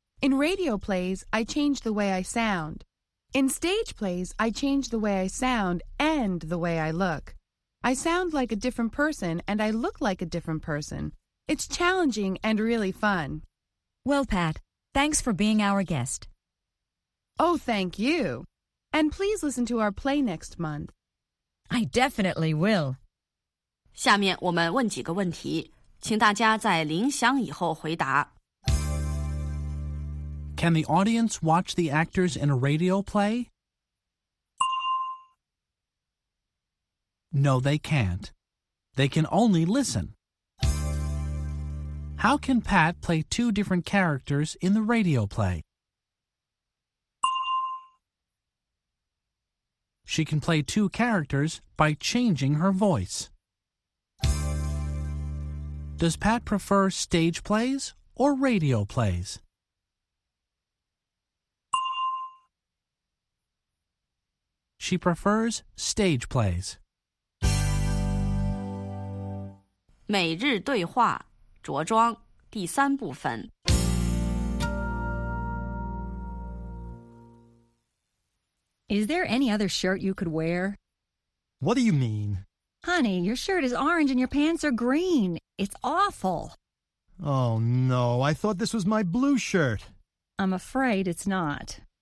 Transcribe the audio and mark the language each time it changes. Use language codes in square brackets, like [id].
[en] In radio plays, I change the way I sound. In stage plays, I change the way I sound and the way I look. I sound like a different person and I look like a different person. It's challenging and really fun. Well, Pat, thanks for being our guest. Oh, thank you. And please listen to our play next month. I definitely will. [zh] 下面我们问几个问题，请大家在铃响以后回答。 [en] Can the audience watch the actors in a radio play? No, they can't. They can only listen. How can Pat play two different characters in the radio play? She can play two characters by changing her voice. Does Pat prefer stage plays or radio plays? She prefers stage plays. [zh] 每日对话，着装，第三部分。 [en] Is there any other shirt you could wear? What do you mean? Honey, your shirt is orange and your pants are green. It's awful. Oh, no. I thought this was my blue shirt. I'm afraid it's not.